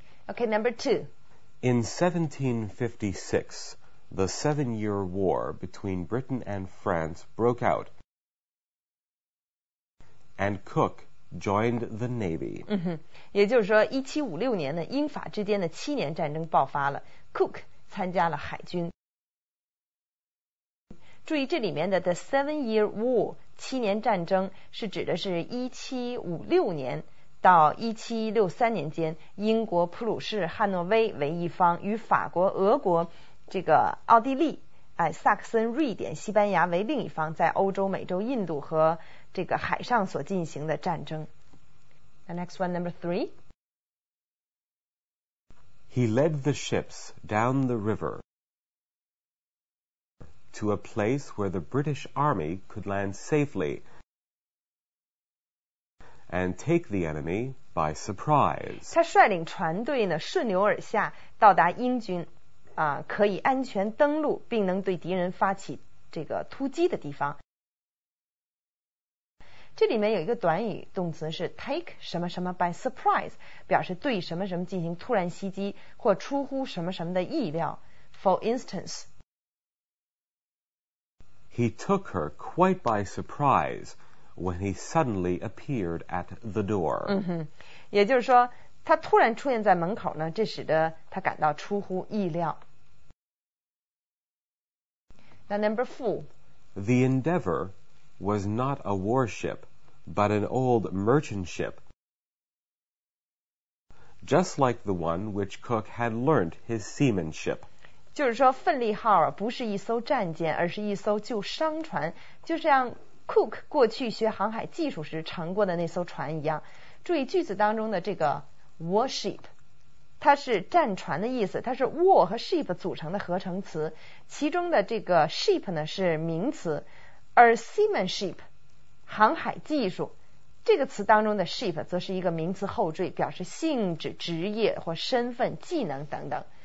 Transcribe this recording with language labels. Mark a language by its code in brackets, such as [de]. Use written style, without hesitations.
[en] Okay, number two. In 1756,The Seven-Year War between Britain and France broke out, and Cook joined the Navy. [zh] 也就是说1756年的英法之间的七年战争爆发了， Cook 参加了海军。注意这里面的 [en] The Seven-Year War [zh] 七年战争是指的是1756年到1763年间英国普鲁士汉诺威为一方与法国俄国这个奥地利、萨克森、瑞典、西班牙为另一方在欧洲、美洲、印度和这个海上所进行的战争。 [en] The next one, number three. He led the ships down the river to a place where the British army could land safely and take the enemy by surprise. [zh] 他率领船队呢，顺流而下，到达英军。可以安全登陆并能对敌人发起这个突击的地方。这里面有一个短语动词是 [en] take [zh] 什么什么 [en] by surprise, [zh] 表示对什么什么进行突然袭击或出乎什么什么的意料。 [en] For instance, He took her quite by surprise when he suddenly appeared at the door. [zh] 也就是说他突然出现在门口呢，这使得他感到出乎意料。 [en] Now, number four. The Endeavour was not a warship, but an old merchant ship, just like the one which Cook had learnt his seamanship. [zh] 就是说，奋力号不是一艘战舰，而是一艘旧商船，就像 Cook 过去学航海技术时乘过的那艘船一样。注意句子当中的这个 warship。它是战船的意思，它是 war 和 ship 组成的合成词，其中的这个 ship 呢是名词，而 seamanship 航海技术这个词当中的 ship 则是一个名词后缀，表示性质、职业或身份、技能等等。